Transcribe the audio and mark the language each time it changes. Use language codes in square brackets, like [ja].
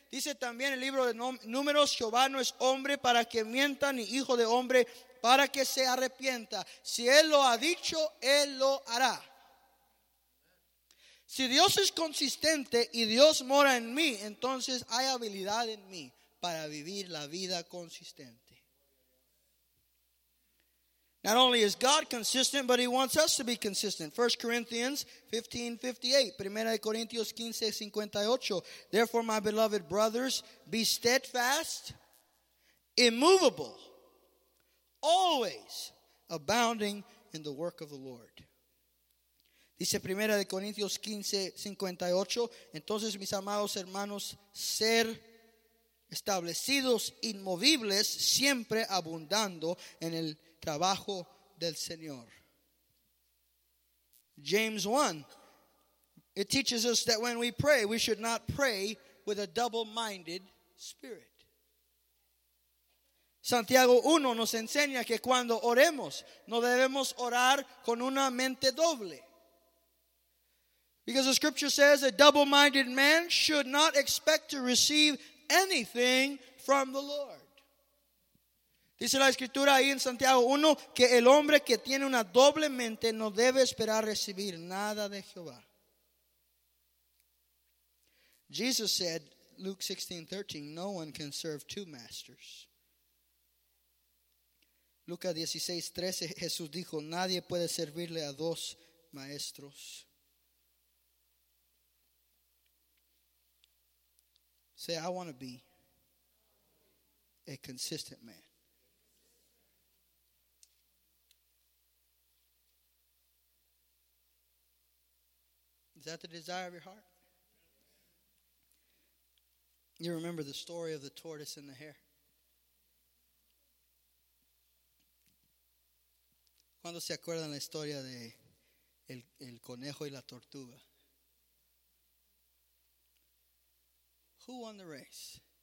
[es] Dice también el libro de Números, Jehová no es hombre para que mienta, ni hijo de hombre para que se arrepienta. Si Él lo ha dicho, Él lo hará. Si Dios es consistente y Dios mora en mí, entonces hay habilidad en mí para vivir la vida consistente. [en] Not only is God consistent, but he wants us to be consistent. 1 Corinthians 15:58. 1 Corinthians 15:58. Therefore, my beloved brothers, be steadfast, immovable, always abounding in the work of the Lord. [es] Dice 1 Corinthians 15:58. Entonces, mis amados hermanos, ser establecidos, inmovibles, siempre abundando en el trabajo del Señor. [en] James 1, it teaches us that when we pray, we should not pray with a double-minded spirit. [es] Santiago 1 nos enseña que cuando oremos, no debemos orar con una mente doble. [en] Because the scripture says a double-minded man should not expect to receive anything from the Lord. [es] Dice la escritura ahí en Santiago 1 que el hombre que tiene una doble mente no debe esperar recibir nada de Jehová. [en] Jesus said, Luke 16, 13, no one can serve two masters. [es] Lucas 16, 13, Jesús dijo, nadie puede servirle a dos maestros. [en] Say, I want to be a consistent man. Is that the desire of your heart? You remember the story of the tortoise and the hare. [es] ¿Cuándo se acuerdan la historia de el conejo y la tortuga? [en] Who won the race?